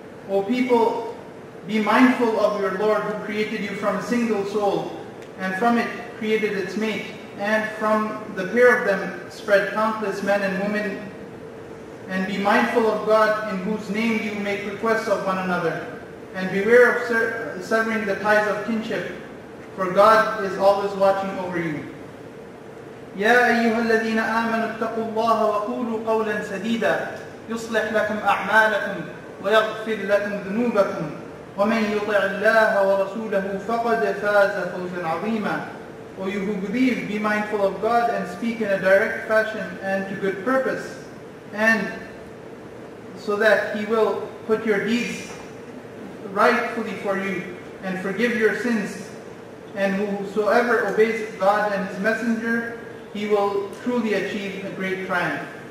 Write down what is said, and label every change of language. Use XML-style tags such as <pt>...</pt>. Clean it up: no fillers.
<en>O people, be mindful of your Lord who created you from a single soul, and from it created its mate, and from the pair of them spread countless men and women, and be mindful of God in whose name you make requests of one another, and beware of severing the ties of kinship, for God is always watching over you.</en> <ar>يا أيها الذين آمنوا اتقوا الله وقولوا قولا سديدا يصلح لكم أعمالكم ويغفر لكم ذنوبكم ومن يطع الله ورسوله فقد فاز فوزا عظيما</ar> <en>O you who believe, be mindful of God and speak in a direct fashion and to good purpose. And so that he will put your deeds rightfully for you and forgive your sins. And whosoever obeys God and his messenger, he will truly achieve a great triumph.</en>